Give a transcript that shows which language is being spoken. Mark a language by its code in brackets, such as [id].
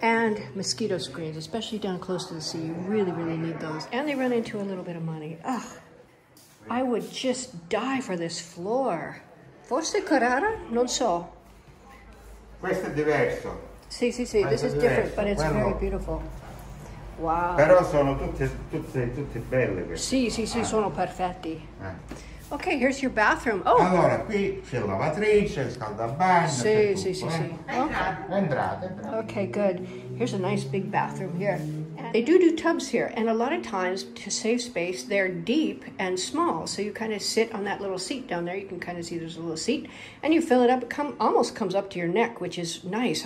[en] And mosquito screens, especially down close to the sea, you really, really need those. And they run into a little bit of money. Ugh, I would just die for this floor. [it] Forse Carrara? Non so. Questo è diverso. Sì, sì, sì, [en] this is different, but it's very beautiful. Wow. [it] Però sono tutte belle queste. Sì, sì, sì, sono perfetti. [en] Okay, here's your bathroom. Oh. [it] Allora, qui c'è lavatrice, scaldabagno. Sì, sì, sì, sì. Entrate. [en] Okay, good. Here's a nice big bathroom here. They do tubs here, and a lot of times, to save space, they're deep and small. So you kind of sit on that little seat down there. You can kind of see there's a little seat, and you fill it up. It almost comes up to your neck, which is nice.